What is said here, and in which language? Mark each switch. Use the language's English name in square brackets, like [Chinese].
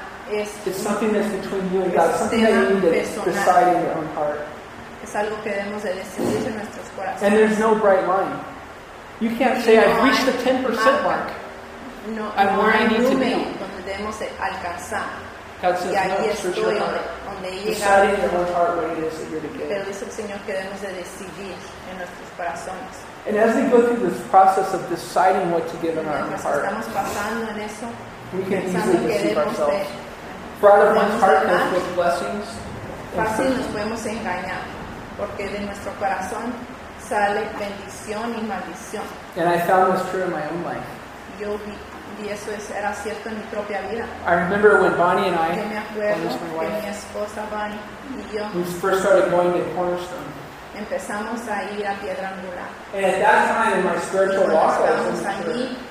[English] It's something that's between you and God, something that you need to decide in your own heart. [Spanish] Es algo que debemos de decidir en nuestros corazones. [English] And there's no bright line. You can't say, I've reached the 10% mark. No, where I need to be. God says, no, it's for your heart. Decide in your own heart what it is that you're to give. [Spanish] Pero dice el Señor que debemos de decidir en nuestros corazones. [English] And as we go through this process of deciding what to give in our own heart, [Spanish] estamos pasando en eso, [English] we can easily deceive ourselves. For out of one's heart comes with blessings. [Spanish] Fácil nos podemos engañar, porque de nuestro corazón sale bendición y maldición. [English] And I found this true in my own life. I remember when Bonnie and I, my wife, we first started going to Cornerstone. And at that time in my spiritual walk, I was mature.